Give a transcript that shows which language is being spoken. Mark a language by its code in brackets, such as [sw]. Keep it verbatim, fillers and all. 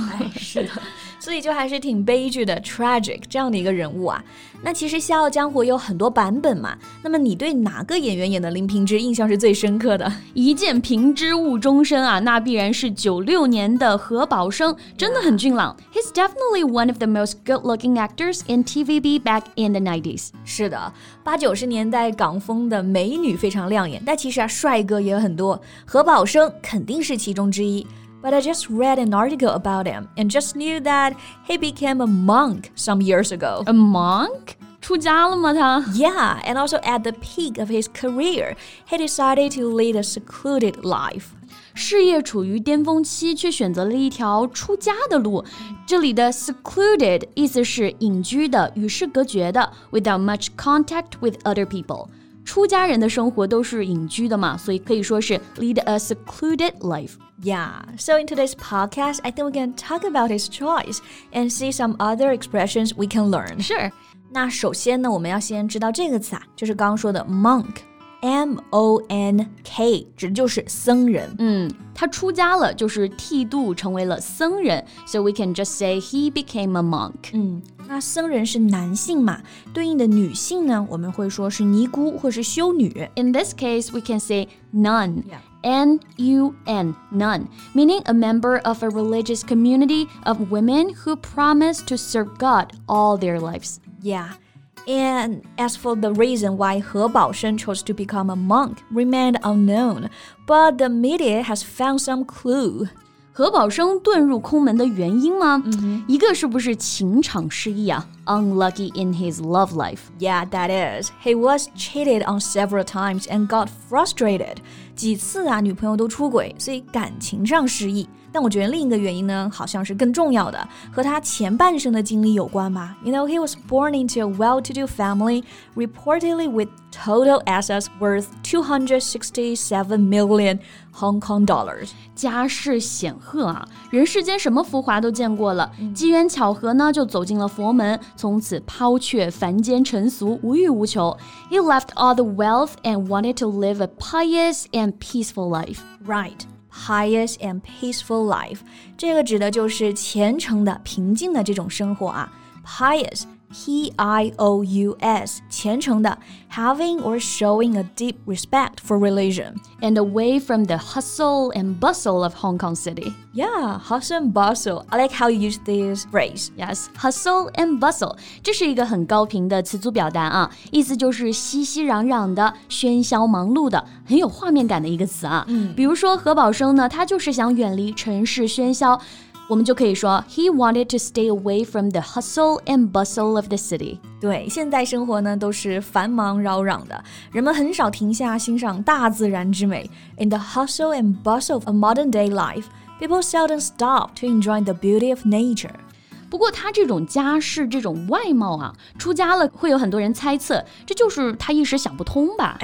[zh] 哎，是的。所以就还是挺悲剧的 tragic 这样的一个人物啊。那其实《笑傲江湖》有很多版本嘛，那么你对哪个演员演的林平之印象是最深刻的？一见平之误终身啊，那必然是九六年的何宝生，真的很俊朗。 [en] He's definitely one of the most good-looking actors in T V B back in the nineties. [zh] 是的，八九十年代港风的美女非常亮眼，但其实啊，帅哥也有很多，何宝生肯定是其中之一。 [en] But I just read an article about him and just knew that he became a monk some years ago. A monk? [zh] 出家了吗他？ [en] Yeah, and also at the peak of his career, he decided to lead a secluded life. [zh] 事业处于巅峰期，却选择了一条出家的路。这里的 secluded 意思是隐居的，与世隔绝的 [en] without much contact with other people. [zh] 出家人的生活都是隐居的嘛，所以可以说是 [en] lead a secluded life. Yeah, so in today's podcast, I think we can talk about his choice and see some other expressions we can learn. Sure. [zh] 那首先呢，我们要先知道这个词啊，就是刚刚说的 monk, M O N K, 指的就是僧人。嗯，他出家了，就是剃度成为了僧人。 [en] So we can just say he became a monk. [zh] 嗯。那僧人是男性嘛，对应的女性呢，我们会说是尼姑或是修女。 [en] In this case, we can say nun, yeah. N U N, nun, meaning a member of a religious community of women who promise to serve God all their lives. Yeah, and as for the reason why He Baoshen chose to become a monk remained unknown, but the media has found some clue. [zh] 何宝生遁入空门的原因吗？一个是不是情场失意啊 ？ [en] Unlucky in his love life. Yeah, that is. He was cheated on several times and got frustrated. [zh] 几次啊，女朋友都出轨，所以感情上失意。但我觉得另一个原因呢，好像是更重要的，和他前半生的经历有关吧。 [en] You know, he was born into a well-to-do family, reportedly with total assets worth two hundred sixty-seven million Hong Kong dollars. [zh] 家世显赫啊，人世间什么浮华都见过了。机缘巧合呢，就走进了佛门，从此抛却凡间尘俗，无欲无求。 [en] He left all the wealth and wanted to live a pious and peaceful life. Right. Pious and peaceful life [zh] 这个指的就是虔诚的平静的这种生活啊 [en] Pious, P I O U S [zh] 虔诚的 [en] Having or showing a deep respect for religion And away from the hustle and bustle of Hong Kong City Yeah, hustle and bustle I like how you use this phrase [zh] Yes, hustle and bustle 这是一个很高频的词组表达啊意思就是熙熙攘攘的喧嚣忙碌的很有画面感的一个词啊、嗯、比如说何宝生呢他就是想远离城市喧嚣我们就可以说 [en] He wanted to stay away from the hustle and bustle of the city. [zh] 对，现代生活呢都是繁忙扰攘的，人们很少停下欣赏大自然之美。 [en] In the hustle and bustle of a modern day life, people seldom stop to enjoy the beauty of nature. [zh] 不过他这种家世这种外貌啊出家了会有很多人猜测这就是他一时想不通吧